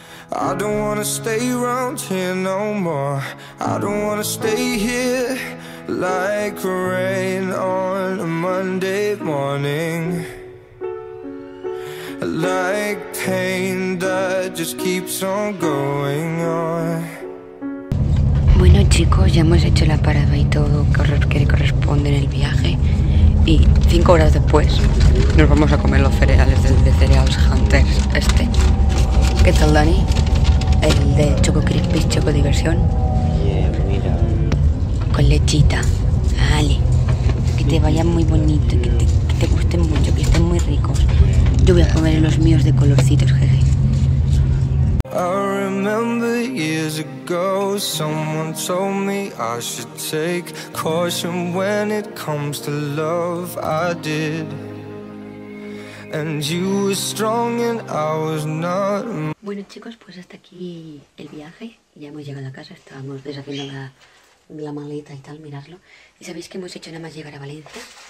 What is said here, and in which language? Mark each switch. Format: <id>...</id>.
<en>I don't wanna stay around here no more. I don't wanna stay here like rain on a Monday morning. Like pain that just keeps on going on.</en> <es>Bueno, chicos, ya hemos hecho la parada y todo que corresponde en el viaje. Y 5 horas después nos vamos a comer los cereales del de Cereals Hunters. Este, ¿qué tal, Dani? El de Choco Crispy, Choco Diversión. Mira. Con lechita. Vale. Que te vaya muy bonito, que te gusten mucho, que estén muy ricos. Yo voy a comer los míos de colorcitos, jeje.</es> <en>I remember years ago, someone told me I should take caution when it comes to love. I did. And you were strong and I was not.</en> <es>Bueno, chicos, pues hasta aquí el viaje. Ya hemos llegado a casa, estábamos deshaciendo la maleta y tal, miradlo. ¿Y sabéis qué hemos hecho nada más llegar a Valencia?</es>